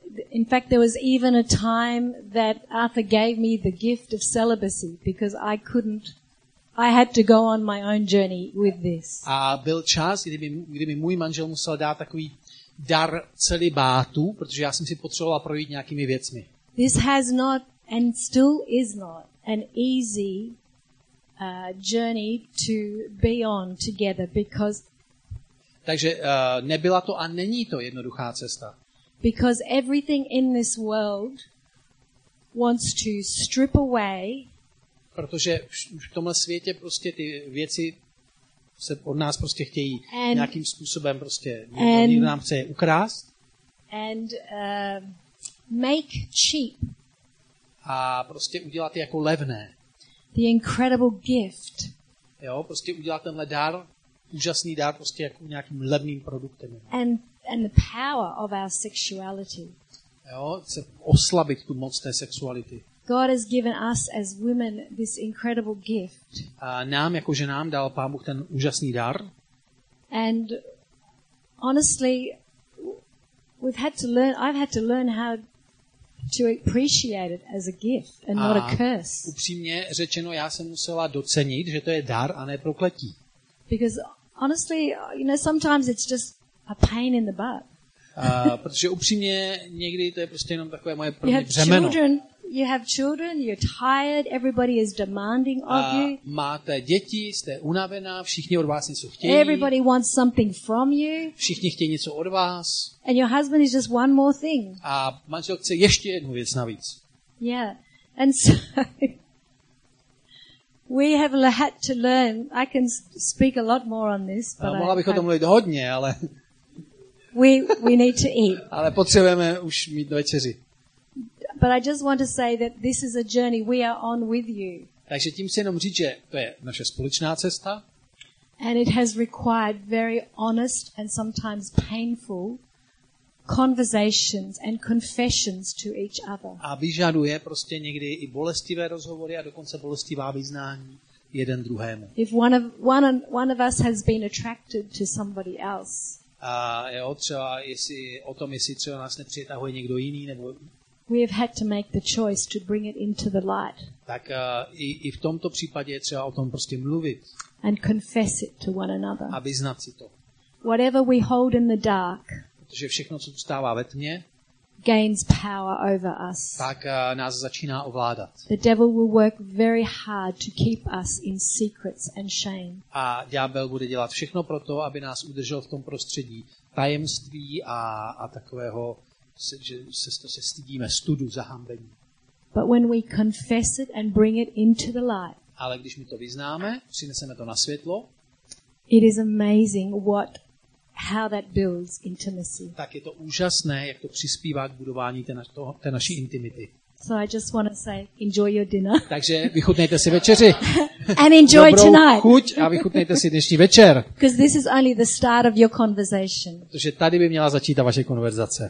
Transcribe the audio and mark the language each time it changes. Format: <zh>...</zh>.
<en>In fact, there was even a time that Arthur gave me the gift of celibacy because I couldn't. I had to go on my own journey with this.</en> <cs>A byl čas, kdy mi můj manžel musel dát takový dar celibátu, protože já jsem si potřeboval projít nějakými věcmi.</cs> <en>This has not and still is not an easy journey to be on together because.</en> <cs>Takže nebyla to a není to jednoduchá cesta.</cs> <en>Because everything in this world wants to strip away.</en> <cs>Protože v tomhle světě prostě ty věci se od nás prostě chtějí and, nějakým způsobem prostě oni nám chce ukrást.</cs> <en>And make cheap.</en> <cs>A prostě udělat je jako levné.</cs> <en>The incredible gift.</en> <cs>Jo, prostě udělat tenhle dar, úžasný dar prostě jako nějakým levným produktem.</cs> <en>And the power of our sexuality.</en> <cs>Jo, se oslabit tu moc té sexuality.</cs> <en>God has given us as women this incredible gift.</en> <cs>A nám jako ženám dal Pán Bůh ten úžasný dar.</cs> <en>And honestly, I've had to learn how to appreciate it as a gift and not a curse.</en> <cs>Upřímně řečeno, já jsem musela docenit, že to je dar a ne prokletí.</cs> <en>Because honestly, you know, sometimes it's just a pain in the butt.</en> <cs>Protože upřímně někdy to je prostě jenom takové moje první břemeno.</cs> <en>You have children, you're tired, everybody is demanding of you.</en> <cs>Máte děti, jste unavená, všichni od vás něco chtějí.</cs> <en>Everybody wants something from you.</en> <cs>Všichni chtějí něco od vás.</cs> <en>And your husband is just one more thing.</en> <cs>A manžel chce ještě jednu věc navíc.</cs> <en>Yeah. And so we have had to learn. I can speak a lot more on this, but</en> <cs>mohla bych o tom mluvit hodně, ale</cs> <en>we need to eat.</en> <cs>Ale potřebujeme už mít večeři.</cs> <en>But I just want to say that this is a journey we are on with you.</en> <cs>Takže tím se jenom říct, že to je naše společná cesta.</cs> <en>And it has required very honest and sometimes painful conversations and confessions to each other.</en> <cs>A vyžaduje prostě někdy i bolestivé rozhovory a dokonce bolestivá vyznání jeden druhému.</cs> <en>If one of us has been attracted to somebody else.</en> <cs>A jo, třeba jestli třeba nás nepřitahuje někdo jiný nebo</cs> <en>we have had to make the choice to bring it into the light.</en> <cs>Tak i v tomto případě je třeba o tom prostě mluvit.</cs> <en>And confess it to one another.</en> <cs>A vyznat si to.</cs> <en>Whatever we hold in the dark.</en> <cs>Protože všechno, co zůstává ve tmě,</cs> <en>gains power over us.</en> <cs>Tak nás začíná ovládat.</cs> <en>The devil will work very hard to keep us in secrets and shame.</en> <cs>A ďábel bude dělat všechno pro to, aby nás udržel v tom prostředí tajemství a takového se stydíme studu, zahambení.</cs> <en>But when we confess it and bring it into the light.</en> <cs>Ale když my to vyznáme, přineseme to na světlo.</cs> <en>It is amazing how that builds intimacy.</en> <cs>Tak je to úžasné, jak to přispívá k budování té naší intimity.</cs> <en>So I just want to say enjoy your dinner.</en> <cs>Takže vychutnejte si večeři.</cs> <en>And enjoy</en> <cs>dobrou</cs> <en>tonight.</en> <cs>Chuť a vychutnejte si dnešní večer.</cs> <en>Because this is only the start of your conversation.</en> <cs>Protože tady by měla začít ta vaše konverzace.</cs>